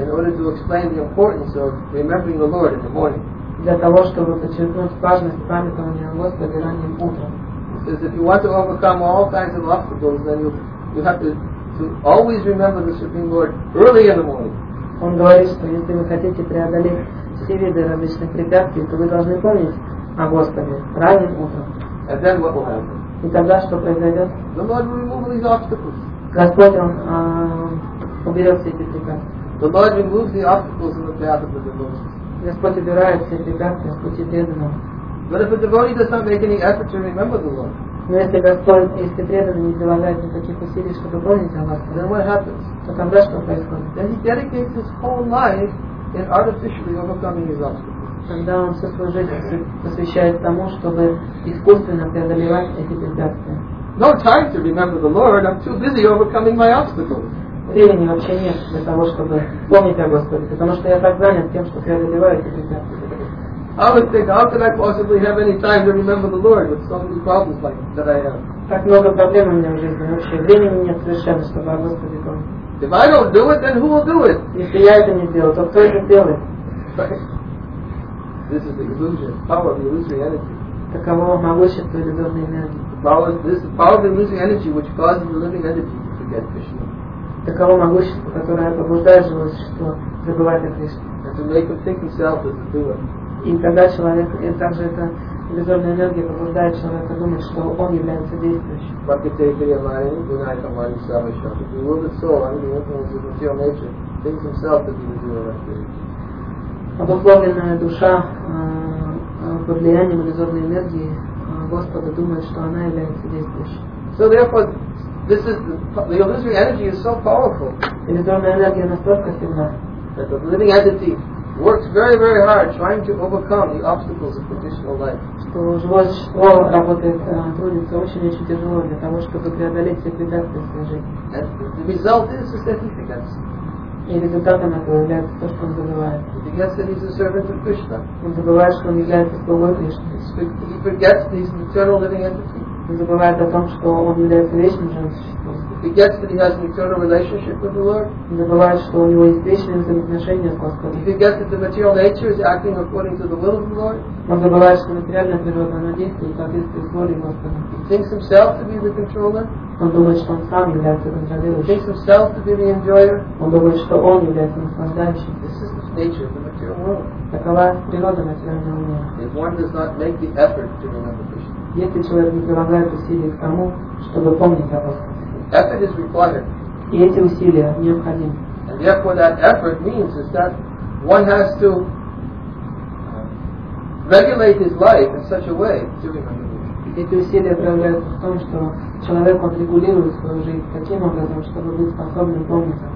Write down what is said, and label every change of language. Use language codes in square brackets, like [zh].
[en] In order to explain the importance of remembering the Lord in the morning. [ru] Для того, чтобы подчеркнуть важность памятования о Господе ранним утром. [en] He says, if you want to overcome all kinds of obstacles, then you have to always remember the Supreme Lord early in the morning. [ru] Он говорит, что если вы хотите преодолеть все виды различных препятствий, то вы должны помнить о Господе ранним утром. [en] And then what will happen? [ru] И тогда что произойдет? [en] The Lord will remove these obstacles. [ru] Господь он уберет все эти препятствия. [en] The Lord removes the obstacles in the path of the devotees. [ru] Господь убирает все препятствия с пути преданного. [en] But if a devotee does not make any effort to remember the Lord. [ru] Но если Господь, если преданный не прилагает никаких усилий, чтобы помнить о Господе, [en] then what happens? [ru] То тогда что происходит? [en] Then he dedicates his whole life in artificially overcoming his obstacles. [ru] Тогда он всю свою жизнь посвящает тому, чтобы искусственно преодолевать эти препятствия. [en] No time to remember the Lord. I'm too busy overcoming my obstacles. [ru] Времени вообще нет для того, чтобы помнить о Господе, потому что я так занят тем, что преодолеваю эти препятствия. [en] I would think, how could I possibly have any time to remember the Lord with so many problems like that I have? [ru] Так много проблем у меня в жизни вообще. Времени нет совершенно, чтобы о Господе помнить. [en] If I don't do it, then who will do it? [ru] Если я это не сделаю, то кто это сделает? [en] This is the illusion, power of the illusory energy. [ru] Таково могущество иллюзорной энергии. [en] This is the power of the illusory energy which causes the living energy to forget Krishna. [ru] Таково могущество, которое побуждает живое существо забывать о Кришне. [en] And to make him think himself as a doer. [ru] И тогда человек, и также эта иллюзорная энергия побуждает человека думать, что он является действующим. обусловленная душа под влиянием иллюзорной энергии Господа думает, что она является действующей. [en] So therefore, this is the illusory energy is so powerful. [ru] Иллюзорная энергия настолько сильна. [en] That the living entity works very, very hard trying to overcome the obstacles of conditional life. [ru] Что живое существо работает, трудится очень-очень тяжело для того, чтобы преодолеть все препятствия в своей жизни. [en] And the result is his certificates. [ru] И результатом этого является то, что он забывает. [en] He forgets that he's a servant of Krishna. [ru] Он забывает, что он является слугой Кришны. [en] He forgets that he's an eternal living entity. [ru] Он забывает о том, что он является вечным живым существом. [en] He forgets that he has an eternal relationship with the Lord. [ru] Он забывает, что у него есть вечные взаимоотношения с Господом. [en] He forgets that the material nature is acting according to the will of the Lord. [ru] Он забывает, что материальная природа она действует в соответствии с волей Господа. [en] He thinks himself to be the controller. [ru] Он думает, что он сам является контролирующим. [en] He thinks himself to be the enjoyer. [ru] Он думает, что он является наслаждающим. [en] This is the nature of the material world. [ru] Такова природа материального мира. [en] If one does not make the effort to remember Krishna. [ru] Если человек не прилагает усилий к тому, чтобы помнить о Господе. И эти усилия необходимы. [en] And therefore that effort means is that one has to regulate his life in such a way to remember. [ru] Эти усилия проявляются в том, что человек регулирует свою жизнь таким образом, чтобы быть способным помнить о